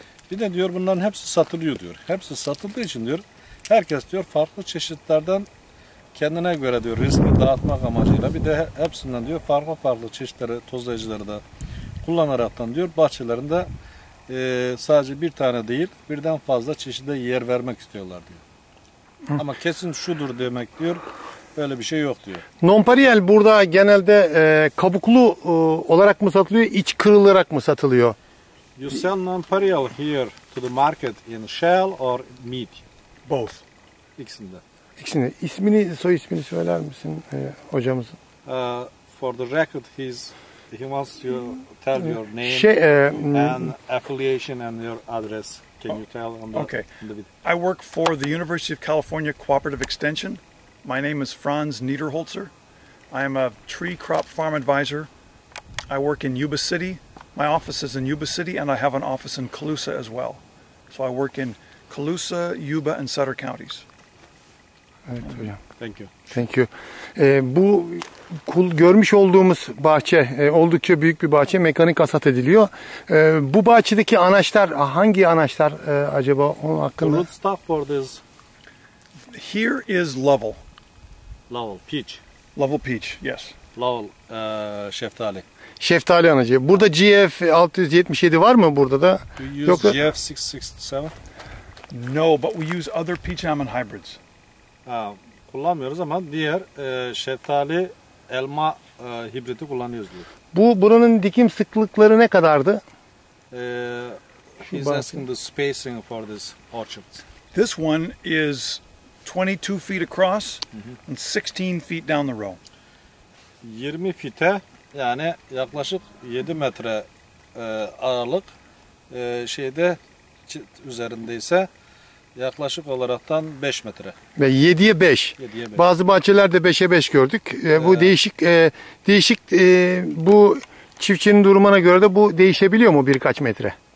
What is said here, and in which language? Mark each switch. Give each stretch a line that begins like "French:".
Turkish: Bir de diyor bunların hepsi satılıyor diyor. Hepsi satıldığı için diyor. Herkes diyor farklı çeşitlerden kendine göre diyor riski dağıtmak amacıyla bir de hepsinden diyor farklı farklı çeşitleri tozlayıcıları da kullanaraktan diyor bahçelerinde sadece bir tane değil birden fazla çeşide yer vermek istiyorlar diyor. Ama kesin şudur demek diyor böyle bir şey yok diyor. Nonpareil burada genelde kabuklu olarak mı satılıyor iç kırılarak mı satılıyor?
English: You sell nonpareil here to the market in shell or meat? Both.
Turkish: İkisinde. İkisini. İsmini, soy ismini söyler misin hocamızın?
English: For the record, he wants to tell your name and affiliation and your address. Can you tell on the okay? I work for the University of California Cooperative Extension. My name is Franz Niederholzer. I am a tree crop farm advisor. I work in Yuba City. My office is in Yuba City, and I have an office in Colusa as well. So I work in Colusa, Yuba, and Sutter counties.
Turkish: Evet hocam.
English: Thank you. Thank you.
Turkish: Bu görmüş olduğumuz bahçe oldukça büyük bir bahçe. Mekanik hasat ediliyor. Bu bahçedeki anaçlar hangi anaçlar acaba onun hakkında?
English: The root stock for this. Here is Lovell. Lowell peach. Lowell peach, yes.
Turkish: Lowell şeftali. Şeftali anacı. Burada GF677 var mı burada da? Yok. GF667.
English: No, but we use other peach almond hybrids.
Turkish: Kullanmıyoruz ama diğer şeftali elma hibriti kullanıyoruz diyor. Bu buranın dikim sıklıkları ne kadardı?
English: He's asking the spacing for this orchard. This one is 22 feet across and 16 feet down the row.
Turkish: 20 fite yani yaklaşık 7 metre aralık şeyde üzerinde ise yaklaşık olaraktan 5 metre. Ve 7'ye 5. Bazı bahçelerde 5'e 5 gördük. Bu değişik bu çiftçinin durumuna göre de bu değişebiliyor mu birkaç metre?